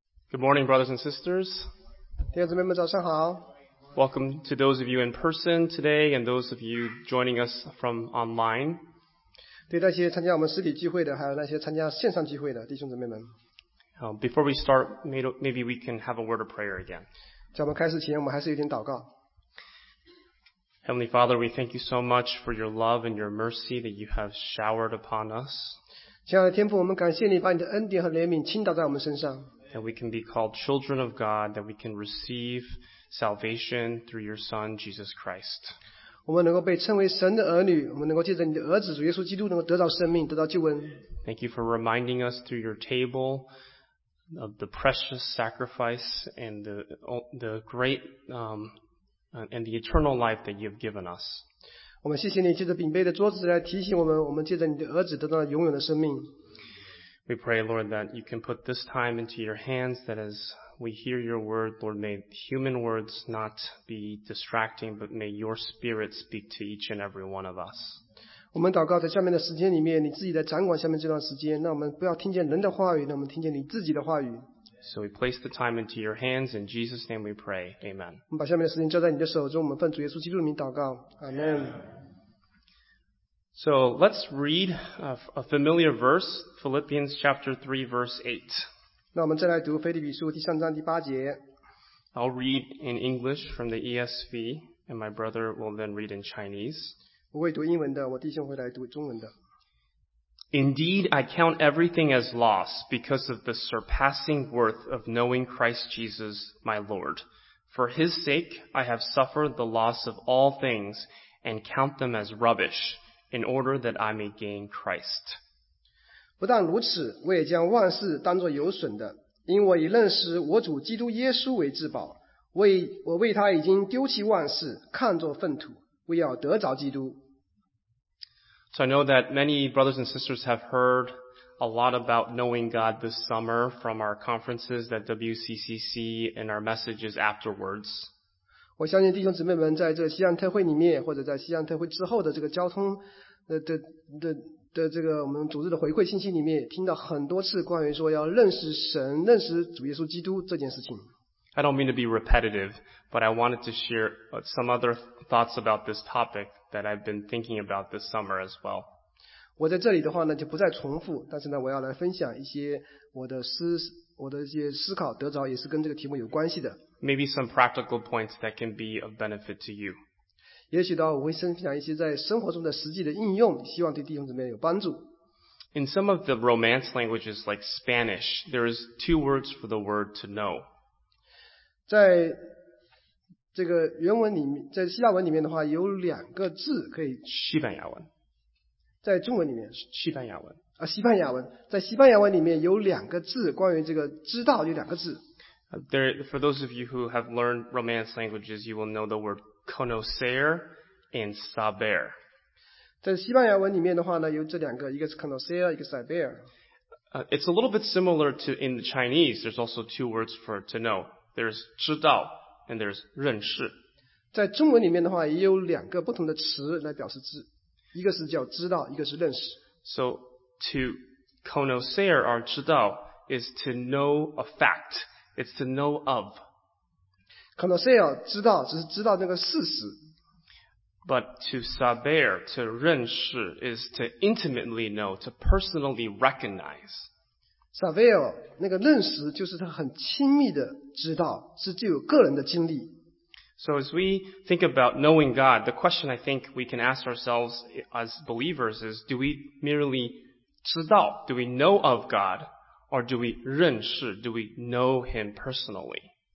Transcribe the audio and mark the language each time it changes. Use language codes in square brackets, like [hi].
[en] Good morning, brothers and sisters. [zh] 弟兄姊妹们，早上好。 [en] Welcome to those of you in person today and those of you joining us from online. [zh] 对那些参加我们实体聚会的，还有那些参加线上聚会的弟兄姊妹们。 [en] Before we start, maybe we can have a word of prayer again. [zh] 在我们开始前，我们还是有点祷告。 [en] Heavenly Father, we thank you so much for your love and your mercy that you have showered upon us. [zh] 亲爱的天父，我们感谢你把你的恩典和怜悯倾倒在我们身上。 [en] That we can be called children of God, that we can receive salvation through your Son, Jesus Christ. [zh] 我们能够被称为神的儿女，我们能够借着你的儿子主耶稣基督能够得到生命，得到救恩。 [en] Thank you for reminding us through your table of the precious sacrifice and the great and the eternal life that you have given us. [zh] 我们谢谢你借着饼杯的桌子来提醒我们，我们借着你的儿子得到了永远的生命。 [en] We pray, Lord, that you can put this time into your hands, that as we hear your word, Lord, may human words not be distracting, but may your spirit speak to each and every one of us. [zh] 我们祷告在下面的时间里面，你自己在掌管下面这段时间，那我们不要听见人的话语，那我们听见你自己的话语。 [en] So we place the time into your hands, in Jesus' name we pray, Amen. [zh] 我们把下面的时间交在你的手中，我们奉主耶稣基督的名祷告， Amen. [en] So let's read a familiar verse, Philippians chapter 3, verse 8. [zh] 那我们再来读腓立比书第三章第八节。 [en] I'll read in English from the ESV, and my brother will then read in Chinese. [zh] 我会读英文的，我弟兄会来读中文的。 [en] Indeed, I count everything as loss because of the surpassing worth of knowing Christ Jesus, my Lord. For his sake, I have suffered the loss of all things and count them as rubbish. In order that I may gain Christ. [zh] 不但如此，我也将万事当作有损的，因我以认识我主基督耶稣为至宝。我为他已经丢弃万事，看作粪土，为要得着基督。 [en] So I know that many brothers and sisters have heard a lot about knowing God this summer from our conferences at WCCC and our messages afterwards. [zh] 我相信弟兄姊妹们在这西安特会里面，或者在西安特会之后的这个交通的这个我们组织的回馈信息里面，听到很多次关于说要认识神、认识主耶稣基督这件事情。 [en] I don't mean to be repetitive, but I wanted to share some other thoughts about this topic that I've been thinking about this summer as well. [zh] 我在这里的话呢，就不再重复，但是呢，我要来分享一些我的一些思考，得着也是跟这个题目有关系的。 [en] Maybe some practical points that can be of benefit to you. [zh] 也许的话，我会分享一些在生活中的实际的应用，希望对弟兄姊妹有帮助。 In some of the Romance languages like Spanish, there is two words for the word to know. 在这个原文里面，在希腊文里面的话，有两个字可以。西班牙文。在中文里面，西班牙文。啊，西班牙文，在西班牙文里面有两个字，关于这个知道有两个字。 [en] There, for those of you who have learned Romance languages, you will know the word conocer and saber. [zh] 在西班牙文里面的话呢，有这两个，一个是 conocer， 一个是 saber。 [en] It's a little bit similar to in the Chinese. There's also two words for to know. There's 知道 and there's 认识。 [zh] 在中文里面的话，也有两个不同的词来表示知，一个是叫知道，一个是认识。 [en] So to conocer or 知道 is to know a fact. It's to know of. [zh] Conocer, 知道，只是知道那个事实。 [en] But to saber, to 认识 is to intimately know, to personally recognize. [zh] Saber, 那个认识就是他很亲密的知道，是具有个人的经历。 [en] So as we think about knowing God, the question I think we can ask ourselves as believers is, do we merely 知道, do we know of God? Or do we 认识 do we know him personally?